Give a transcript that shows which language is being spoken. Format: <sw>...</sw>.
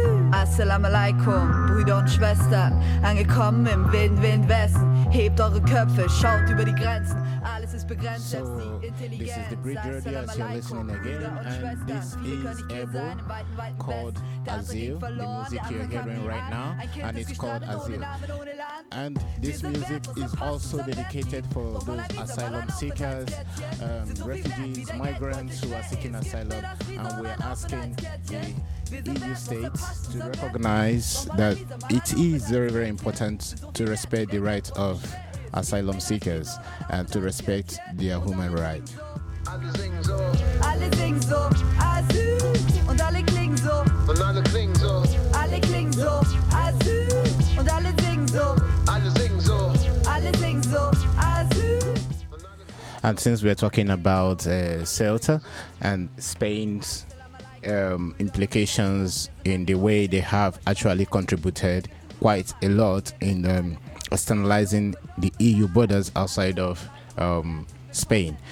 <de>Assalamu alaikum, Brüder und Schwestern, angekommen im Wind, Wind, Westen. Hebt eure Köpfe, schaut über die Grenzen. Alles ist begrenzt, so, selbst die Intelligenz.</de> <en>This is the Bridger, as you're alaikum, listening again, and this is Ebo, called Azil, the music you're hearing right now, and it's called Azil. And this music is also dedicated for those asylum seekers, refugees, migrants who are seeking asylum, and we're asking the EU states to recognize that it is very, very important to respect the rights of asylum seekers and to respect their human rights.</en> <de>Alle singen so, Asyl, und alle klingen so, und alle klingen so, alle klingen so, Asyl, und alle singen so, alle singen so, alle singen so, Asyl.</de> <en>And since we're talking about Ceuta and Spain's implications in the way they have actually contributed quite a lot in externalizing the EU borders outside of Spain.</en>